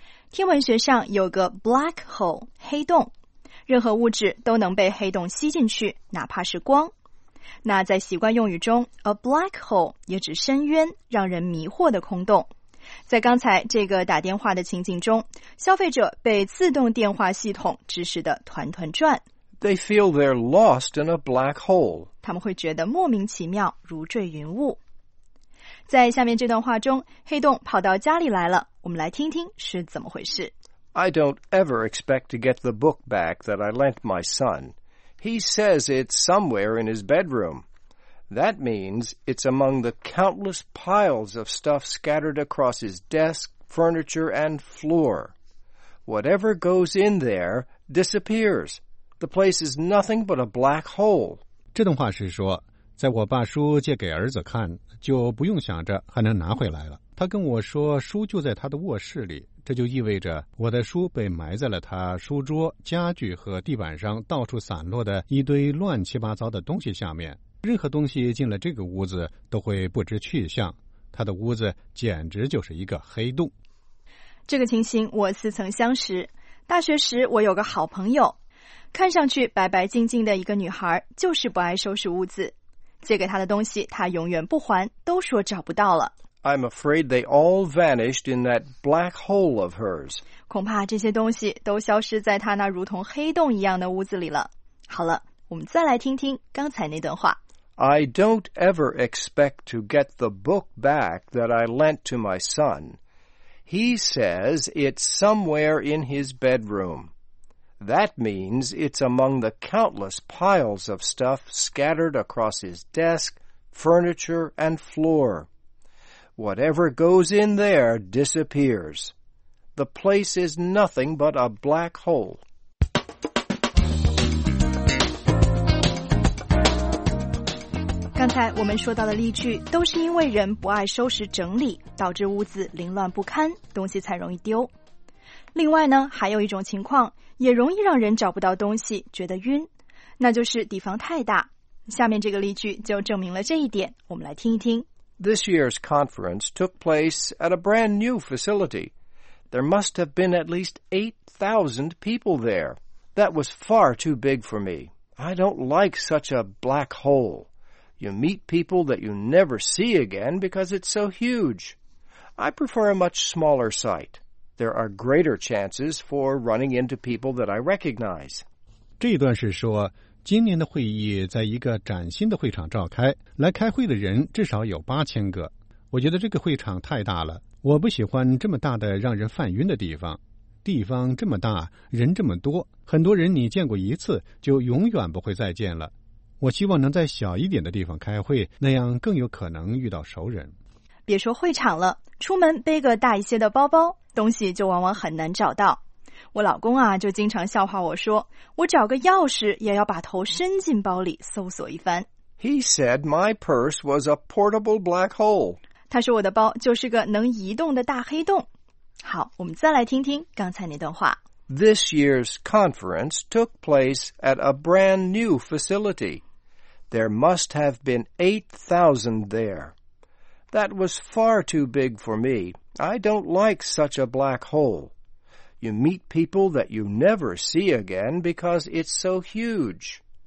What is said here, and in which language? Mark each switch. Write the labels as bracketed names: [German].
[Chinese] 天文学上有个 black hole, 黑洞，任何物质都能被黑洞吸进去，哪怕是光。那在习惯用语中 ,A black hole 也指深渊，让人迷惑的空洞。在刚才这个打电话的情景中，消费者被自动电话系统指使得团团转。 [English] They feel they're lost in a black hole. [Chinese] 他们会觉得莫名其妙，如坠云雾。在下面这段话中，黑洞跑到家里来了，我们来听听是怎么回事。 [English] I don't ever expect to get the book back that I lent my son. He says it's somewhere in his bedroom. That means it's among the countless piles of stuff scattered across his desk, furniture, and floor. Whatever goes in there disappears. The place is nothing but a black hole. [Chinese] 这段话是说，在我把书借给儿子看，就不用想着还能拿回来了。他跟我说书就在他的卧室里，这就意味着我的书被埋在了他书桌、家具和地板上到处散落的一堆乱七八糟的东西下面。任何东西进了这个屋子都会不知去向，他的屋子简直就是一个黑洞。这个情形我似曾相识。大学时我有个好朋友，看上去白白净净的一个女孩，就是不爱收拾屋子，借给她的东西她永远不还，都说找不到了。 [English] I'm afraid they all vanished in that black hole of hers. [Chinese] 恐怕这些东西都消失在她那如同黑洞一样的屋子里了。好了，我们再来听听刚才那段话。 [English] I don't ever expect to get the book back that I lent to my son. He says it's somewhere in his bedroom. That means it's among the countless piles of stuff scattered across his desk, furniture, and floor. Whatever goes in there disappears. The place is nothing but a black hole. [Chinese] 刚才我们说到的例句都是因为人不爱收拾整理，导致屋子凌乱不堪，东西才容易丢。另外呢，还有一种情况也容易让人找不到东西觉得晕，那就是地方太大。下面这个例句就证明了这一点，我们来听一听。 [English] This year's conference took place at a brand new facility. There must have been at least 8,000 people there. That was far too big for me. I don't like such a black hole. You meet people that you never see again because it's so huge. I prefer a much smaller site. There are greater chances for running into people that I recognize. [Chinese] 这一段是说，今年的会议在一个崭新的会场召开，来开会的人至少有8000个。我觉得这个会场太大了，我不喜欢这么大的让人犯晕的地方。地方这么大，人这么多，很多人你见过一次就永远不会再见了。我希望能在小一点的地方开会，那样更有可能遇到熟人。别说会场了，出门背个大一些的包包，东西就往往很难找到。我老公啊，就经常笑话我说，我找个钥匙也要把头伸进包里搜索一番。 [English] He said my purse was a portable black hole. [Chinese] 他说我的包就是个能移动的大黑洞。好，我们再来听听刚才那段话。 [English] This year's conference took place at a brand new facility. There must have been 8,000 there. That was far too big for me. I don't like such a black hole. You meet people that you never see again because it's so huge.